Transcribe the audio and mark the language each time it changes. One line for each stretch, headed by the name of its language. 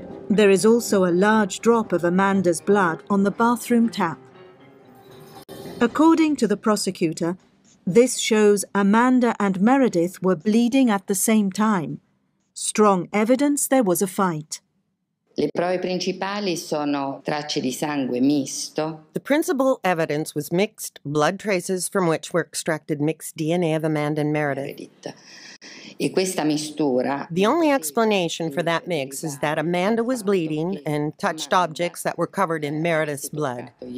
English: There is also a large drop of Amanda's blood on the bathroom tap. According to the prosecutor, this shows Amanda and Meredith were bleeding at the same time. Strong evidence there was a fight.
Italian: Le prove principali sono tracce di sangue misto.
English: The principal evidence was mixed blood traces from which were extracted mixed DNA of Amanda and Meredith.
Italian: E questa mistura.
English: The only explanation for that mix is that Amanda was bleeding and touched objects that were covered in Meredith's blood.